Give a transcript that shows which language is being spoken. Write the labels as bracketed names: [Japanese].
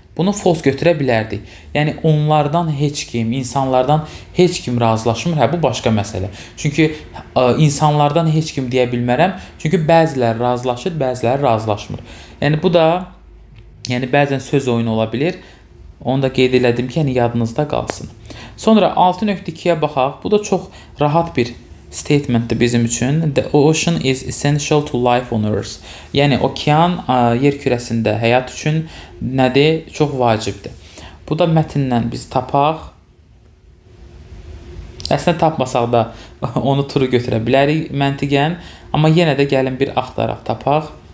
[Azerbaijani] Bunu false götürə bilərdik. Yəni onlardan heç kim, insanlardan heç kim razılaşmır. Hə, bu başqa məsələ. Çünki insanlardan heç kim deyə bilmərəm. Çünki bəziləri razılaşır, bəziləri razılaşmır. Yəni bu da yəni bəzən söz oyunu ola bilir. Onu da qeyd elədim ki, yəni yadınızda qalsın. Sonra 6.2-yə baxaq. Bu da çox rahat bir statementdir bizim üçün. [English] The ocean is essential to life on earth. [Azerbaijani] Yəni okean yer kürəsində həyat üçün nədir? Çox vacibdir. Bu da mətnlə biz tapaq. Əslində tapmasaq da onu turu götürə bilərik məntiqən. Amma yenə də gəlin bir axtaraq tapaq.